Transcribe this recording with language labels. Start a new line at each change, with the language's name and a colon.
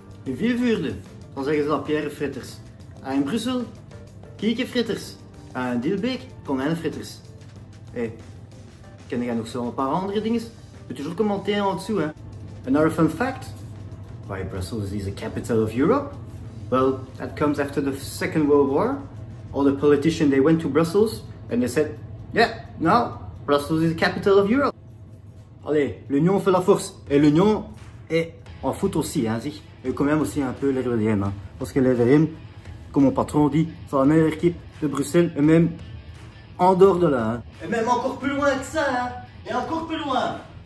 Dutch: In Vilvuurde, dan zeggen ze dat Pierre fritters. En in Brussel, Kieke fritters. En in Dielbeek, Konijn fritters. Hé, ken jij nog zo'n paar andere dingen? Je kunt ook een en wat zoeken.
English: Another fun fact, why Brussels is the capital of Europe? Well, that comes after the Second World War. All the politicians, they went to Brussels and they said, yeah, now Brussels is the capital of Europe.
French: Allez, l'union fait la force. Et l'union est en foot aussi, hein, zich. Et quand même aussi un peu les RDM, hein. Parce que les RDM, comme mon patron dit, c'est la meilleure équipe de Bruxelles et même en dehors de là, hein. Et même encore plus loin que ça, hein. Et encore plus loin.